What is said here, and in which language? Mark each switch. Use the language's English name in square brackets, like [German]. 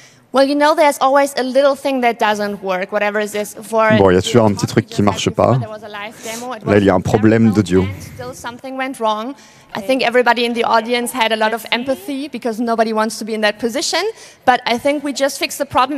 [English] Well, you know, there's always a little thing that doesn't work, whatever it is. [French] Bon, il y a toujours un petit truc qui marche pas. Là, il y a un problème d'audio. [English] Still, something went wrong. I think everybody in the audience had a lot of empathy because nobody wants to be in that position. But I think we just fixed the problem.